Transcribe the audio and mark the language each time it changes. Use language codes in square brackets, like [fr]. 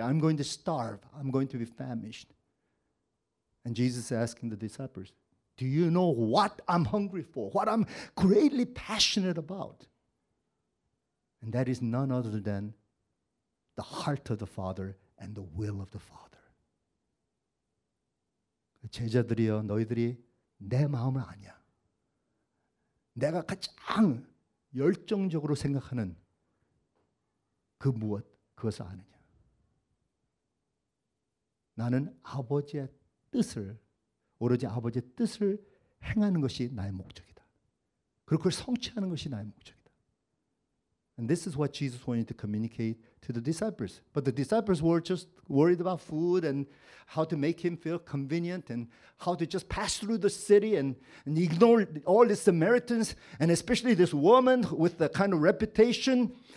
[en] I'm going to starve. I'm going to be famished. And Jesus is asking the disciples, do you know what I'm hungry for? What I'm greatly passionate about? And that is none other than the heart of the Father and the will of the Father. [ko] 제자들이여, 너희들이 내 마음을 아냐. 내가 가장 열정적으로 생각하는 그 무엇, 그것을 아느냐. 나는 아버지의 뜻을, 오로지 아버지의 뜻을 행하는 것이 나의 목적이다. 그리고 그걸 성취하는 것이 나의 목적이다. [en] And this is what Jesus wanted to communicate to the disciples. But the disciples were just worried about food and how to make him feel convenient and how to just pass through the city and ignore all the Samaritans and especially this woman with the kind of reputation.